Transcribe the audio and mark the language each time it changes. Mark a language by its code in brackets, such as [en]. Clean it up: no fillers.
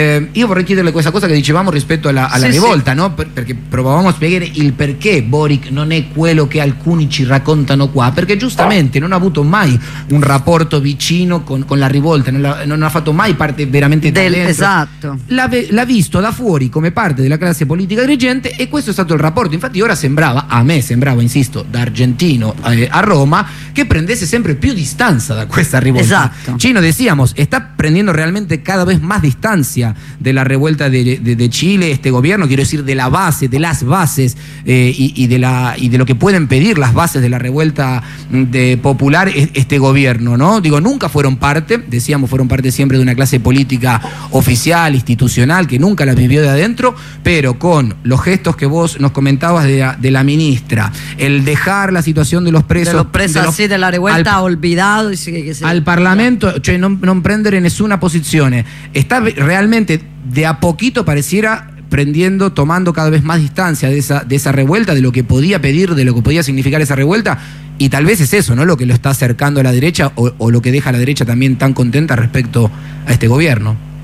[it] Io vorrei chiederle questa cosa che dicevamo rispetto alla rivolta, sì. No? Perché provavamo a spiegare il perché Boric non è quello che alcuni ci raccontano qua, perché giustamente non ha avuto mai un rapporto vicino con la rivolta, non ha fatto mai parte veramente del dentro. Esatto. L'ha visto da fuori come parte della classe politica dirigente, e questo è stato il rapporto. Infatti ora sembrava, insisto, da argentino a Roma, che prendesse sempre più distanza da questa rivolta. Esatto. [es] Cino, decíamos, [it] sta prendendo [es] realmente cada vez más distancia de la revuelta de Chile, este gobierno, quiero decir, de la base, de las bases, y de lo que pueden pedir las bases de la revuelta de popular, este gobierno, ¿no? Digo, nunca fueron parte, decíamos, fueron parte siempre de una clase política oficial, institucional, que nunca la vivió de adentro, pero con los gestos que vos nos comentabas de la ministra, el dejar la situación de los presos. De los presos, así, de la revuelta, olvidado. [it] Al Parlamento, cioè non prendere nessuna posizione. [es] Está realmente, de a poquito pareciera tomando cada vez más distancia de esa revuelta, de lo que podía pedir, de lo que podía significar esa revuelta, y tal vez es eso, ¿no? Lo que lo está acercando a la derecha, o lo que deja a la derecha también tan contenta respecto a este gobierno.